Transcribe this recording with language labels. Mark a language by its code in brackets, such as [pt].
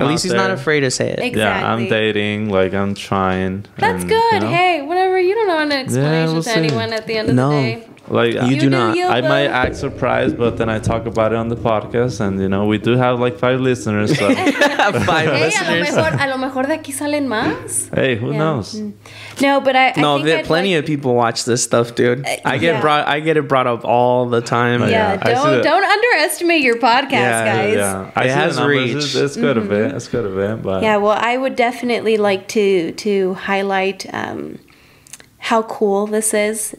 [en] at least he's there. Not afraid to say it. Exactly. Yeah, I'm dating, like I'm trying. That's and, good. You know? Hey, whatever. You don't want to explain yeah, it we'll see. Anyone at the end of no. the day. No, like you do not. I might act surprised, but then I talk about it on the podcast, and you know, we do have like 5 listeners. So. Five listeners. [es] Hey, a lo mejor de aquí salen más. [en] Hey, who knows? No, but I no, think there, plenty like, of people watch this stuff, dude. I get it brought up all the time. Yeah, don't underestimate your podcast, yeah, guys. Yeah, it has reach. It's good a bit. It's good a bit. But yeah, well, I would definitely like to highlight how cool this is.